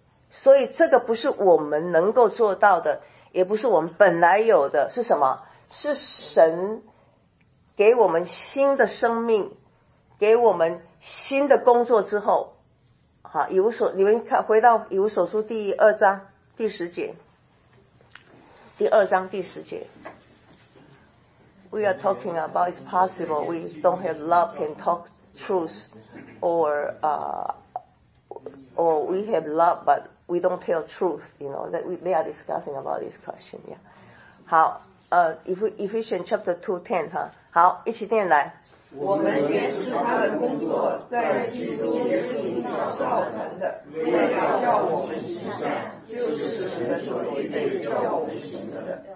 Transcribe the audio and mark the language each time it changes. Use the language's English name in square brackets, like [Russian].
[Chinese] 所以这个不是我们能够做到的，也不是我们本来有的，是什么？是神给我们新的生命，给我们新的工作之后。好，以弗所，你们看，回到以弗所书第二章第十节。第二章第十节 [English] We are talking about it's possible we don't have love can talk truth or we have love but we don't tell truth, you know, that they are discussing about this question, yeah. [Chinese] 好， [English] Ephesians chapter 2:10, [Chinese] 好，一起念来。使我们愿是他的工作在基督耶稣里所造成的，愿他叫我们行善，就是神所预备叫我们行的。